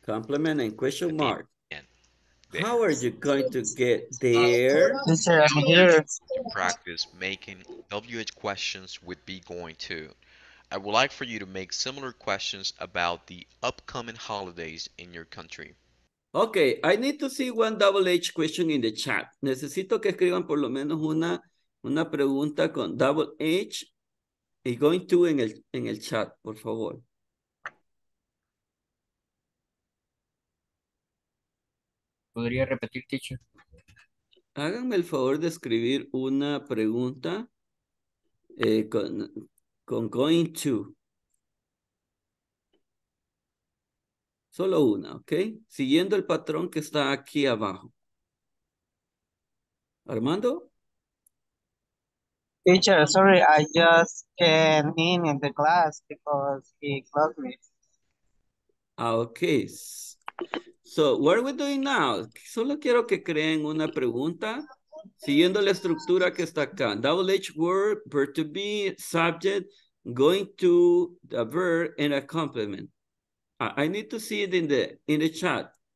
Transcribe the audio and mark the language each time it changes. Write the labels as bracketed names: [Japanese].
[English] Complement and question mark. How are you going to get there? Sir, I'm here. Practice making WH questions with be going to. I would like for you to make similar questions about the upcoming holidays in your country. Okay, I need to see one double H question in the chat. [Spanish] Necesito que escriban por lo menos una pregunta con double H y going to en el chat, por favor. ¿Podría repetir, teacher? Háganme el favor de escribir una pregunta con going to. Solo una, ¿ok? Siguiendo el patrón que está aquí abajo. ¿Armando? [English] Teacher, sorry, I just came in the class because he closed me. Ah, ok. So, what are we doing now? [Spanish] Solo quiero que creen una pregunta siguiendo la estructura que está acá. [English] Double H word, verb to be, subject, going to, the verb, and a complement. I need to see it in the chat.